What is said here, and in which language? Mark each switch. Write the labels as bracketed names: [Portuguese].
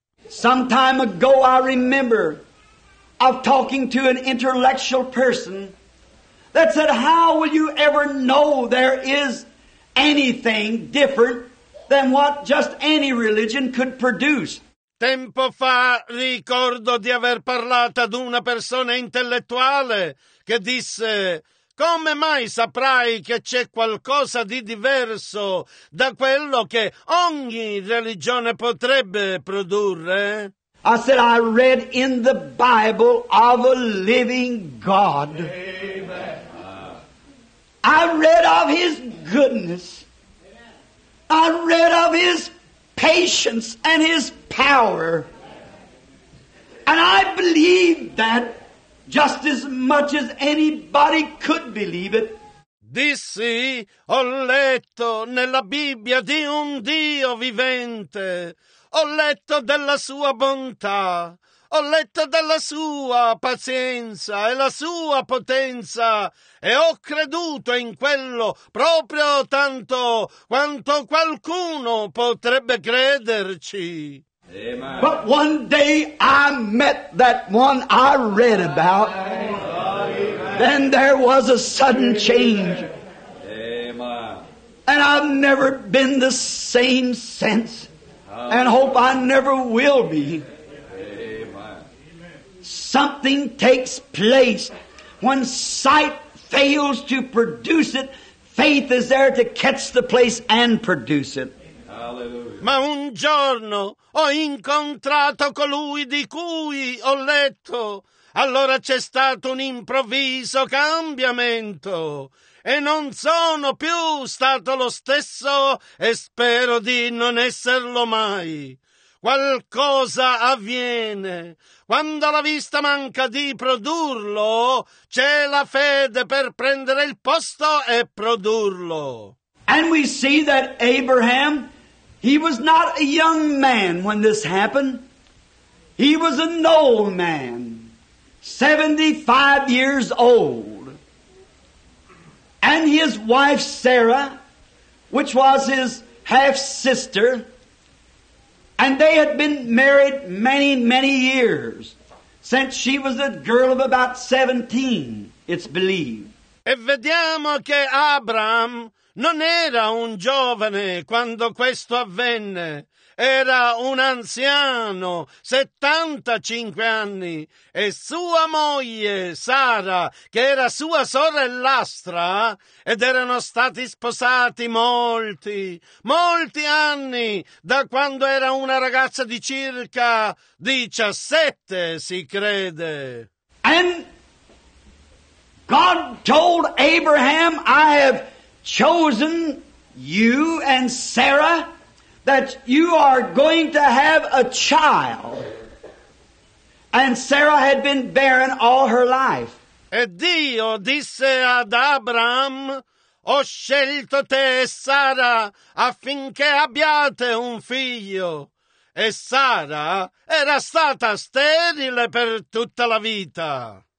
[English] Some time ago I remember of talking to an intellectual person that said, how will you ever know there is anything different than what just any religion could produce. [Italian] Tempo fa ricordo di aver parlato ad una persona intellettuale che disse, come mai saprai che c'è qualcosa di diverso da quello che ogni religione potrebbe produrre? [English] I said, I read in the Bible of a living God. Amen. I read of his goodness. I read of his patience and his power. And I believed that just as much as anybody could believe it. [Italian] Dissi, ho letto nella Bibbia di un Dio vivente. Ho letto della sua bontà. Ho letto della sua pazienza e la sua potenza e ho creduto in quello proprio tanto quanto qualcuno potrebbe crederci. Amen. [English] But one day I met that one I read about. Amen. Then there was a sudden change. Amen. And I've never been the same since. Amen. And hope I never will be. Something takes place. When sight fails to produce it, faith is there to catch the place and produce it. Hallelujah. [Italian] Ma un giorno ho incontrato colui di cui ho letto. Allora c'è stato un improvviso cambiamento. E non sono più stato lo stesso e spero di non esserlo mai. qualcosa avviene. Quando la vista manca di produrlo, c'è la fede per prendere il posto e produrlo. [English] And we see that Abraham, he was not a young man when this happened. He was an old man, 75 years old. And his wife Sarah, which was his half-sister, and they had been married many, many years, since she was a girl of about 17, it's believed. [Italian] E vediamo che Abraham non era un giovane quando questo avvenne. Era un anziano, 75 anni, e sua moglie, Sara, che era sua sorellastra, ed erano stati sposati molti, molti anni, da quando era una ragazza di circa 17, si crede. [English] And God told Abraham, I have chosen you and Sarah, that you are going to have a child. And Sarah had been barren all her life. [Italian] E Dio disse ad Abraham, ho scelto te e Sara affinché abbiate un figlio. E Sara era stata sterile per tutta la vita.